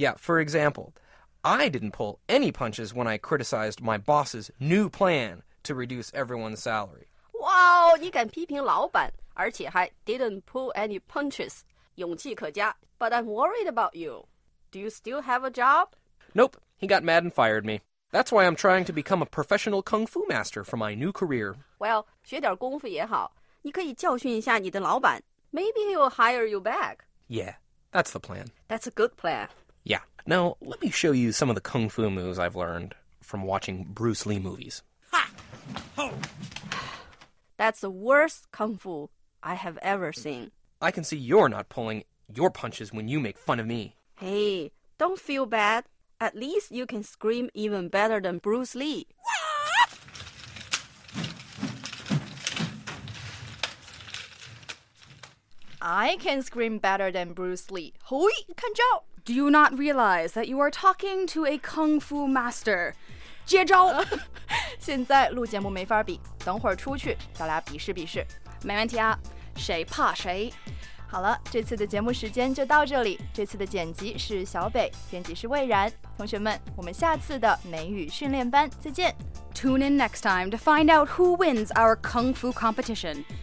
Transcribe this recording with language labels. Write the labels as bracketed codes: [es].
[en] Yeah, for example... I didn't pull any punches when I criticized my boss's new plan to reduce everyone's salary. [zh] Wow, 你敢批评老板，而且还 [en] didn't pull any punches, [zh] 勇气可嘉。 [en] But I'm worried about you. Do you still have a job? Nope, he got mad and fired me. That's why I'm trying to become a professional kung fu master for my new career. [zh] Well, 学点功夫也好，你可以教训一下你的老板。 [en] Maybe he'll hire you back. Yeah, that's the plan. That's a good plan. Yeah, now let me show you some of the kung fu moves I've learned from watching Bruce Lee movies. Ha! Ho! That's the worst kung fu I have ever seen. I can see you're not pulling your punches when you make fun of me. Hey, don't feel bad. At least you can scream even better than Bruce Lee. I can scream better than Bruce Lee. Hoi, [zh] 看招！ [en] Do you not realize that you are talking to a kung fu master? [zh] 接招！现在录节目没法比，等会儿出去，咱俩比试比试。没问题啊，谁怕谁？好了，这次的节目时间就到这里。这次的剪辑是小北，编辑是蔚然。同学们，我们下次的美语训练班再见。 [en] Tune in next time to find out who wins our kung fu competition.